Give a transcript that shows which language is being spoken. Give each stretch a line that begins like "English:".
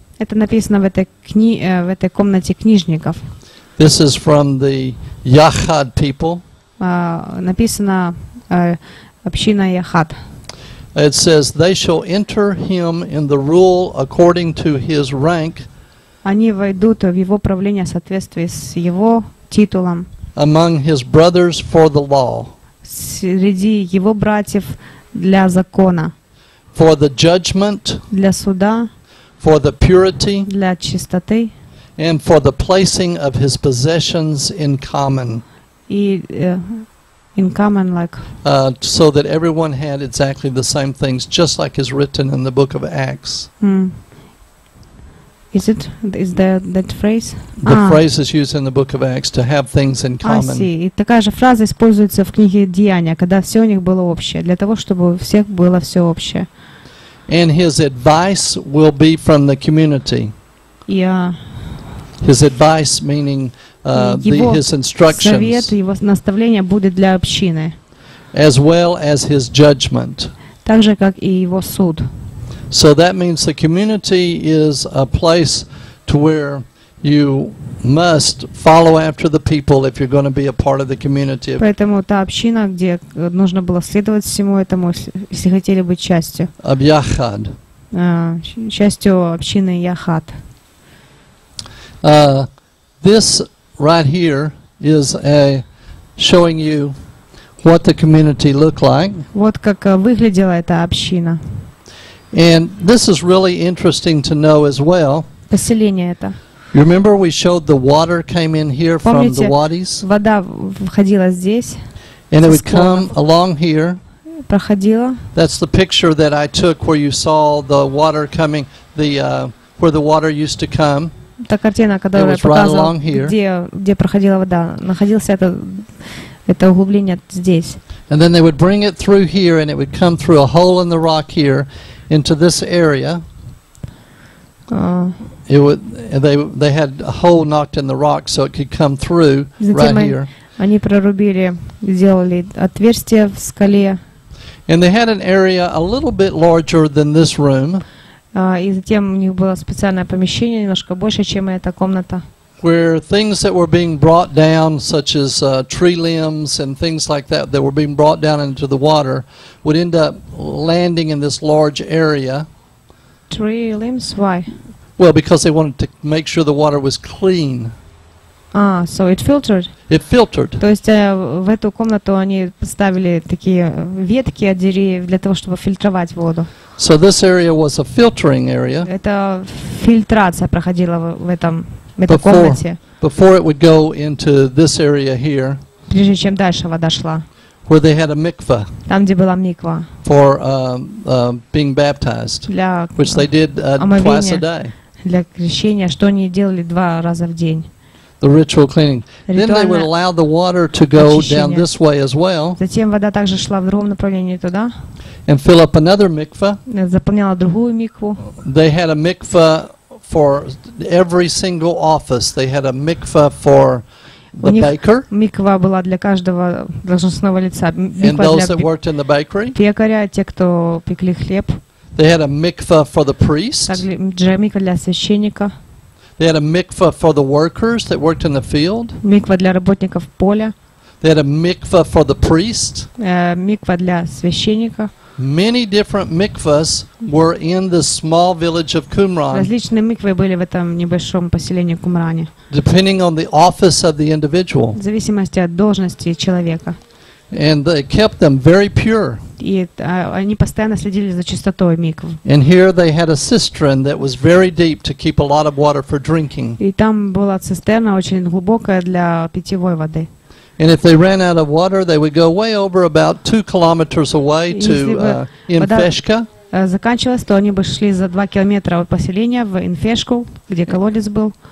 Russian: Это написано в этой комнате книжников.
English: This is from the Yachad people.
Russian: Написано община Яхад.
English: It says they shall enter him in the rule according to his rank.
Russian: Они войдут в его правление в соответствии с его титулом.
English: Among his brothers for the law.
Russian: Среди его братьев для закона.
English: For the judgment.
Russian: Для суда.
English: For the purity.
Russian: Для чистоты.
English: And for the placing of his possessions in common.
Russian: И
English: in common, like. So that everyone had exactly the same things, just like is written in the book of Acts. Is it? Is that phrase? The phrase is used in the book of Acts to have things in common. I see.
Russian: Такая же фраза используется в книге Деяния, когда все у них было общее, для того, чтобы у всех было все общее.
English: And his advice will be from the community. Yeah. His advice, meaning his instructions.
Russian: Совет, его наставление будет для общины.
English: As well as his judgment.
Russian: Так же, как и его суд.
English: So that means the community is a place to where you must follow after the people if you're going to be a part of the community.
Russian: Поэтому та община, где нужно было следовать всему этому, если хотели быть частью.
English: Of Yachad.
Russian: Частью общины Яхад.
English: This right here is showing you what the community looked like.
Russian: Вот как выглядела эта община.
English: And this is really interesting to know as well.
Russian: Поселение это.
English: You remember we showed the water came in here.
Russian: Помните,
English: from the wadis?
Russian: Вода входила здесь.
English: And it would come along here.
Russian: Проходила.
English: That's the picture that I took where you saw the water coming, where the water used to come.
Russian: Та картина, которую я показывал, где проходила вода, находился это углубление здесь.
English: And then they would bring it through here, and it would come through a hole in the rock here into this area. They had a hole knocked in the rock, so it could come through right here.
Russian: Они прорубили, сделали отверстие в скале.
English: And they had an area a little bit larger than this room.
Russian: И затем у них было специальное помещение, немножко больше, чем эта комната.
English: Where things that were being brought down, such as tree limbs and things like that, that were being brought down into the water, would end up landing in this large area. Tree limbs? Why? Well, because they wanted to make sure the water was clean. So it filtered. It filtered.
Russian: То есть в эту комнату они поставили такие ветки от деревьев для того, чтобы фильтровать воду.
English: So this area was a filtering area.
Russian: Это фильтрация проходила в этой комнате.
English: Before it would go into this area here.
Russian: Прежде чем дальше вода шла.
English: Where they had a mikvah.
Russian: Там где была миква.
English: For being baptized.
Russian: Для омовения.
English: Which they did twice a day.
Russian: Для крещения, что они делали два раза в день.
English: The ritual cleaning. Then they would allow the water to go
Russian: очищение.
English: Down this way as well.
Russian: Затем вода также шла в другом направлении туда.
English: And fill up another mikvah.
Russian: Заполняла другую микву.
English: They had a mikvah for every single office. They had a mikvah for the baker.
Russian: Миква была для каждого должностного лица.
English: And those that worked in the bakery.
Russian: Пекаря, те, кто пекли хлеб.
English: They had a mikveh for the priest.
Russian: Джемика для священника.
English: They had a mikveh for the workers that worked in the field.
Russian: Миква для работников поля.
English: They had a mikveh for the priest.
Russian: Миква для священника.
English: Many different mikvahs were in the small village of Qumran.
Russian: Различные миквы были в этом небольшом поселении Кумране.
English: Depending on the office of the individual.
Russian: В зависимости от должности человека.
English: And they kept them very pure.
Russian: И они постоянно следили за чистотой миквы.
English: And here they had a cistern that was very deep to keep a lot of water for drinking.
Russian: И там была цистерна очень глубокая для питьевой воды.
English: And if they ran out of water, they would go way over about 2 kilometers away to Infeshka.
Russian: Заканчивалось, то они бы шли за 2 километра от поселения в Инфешку, где колодец был.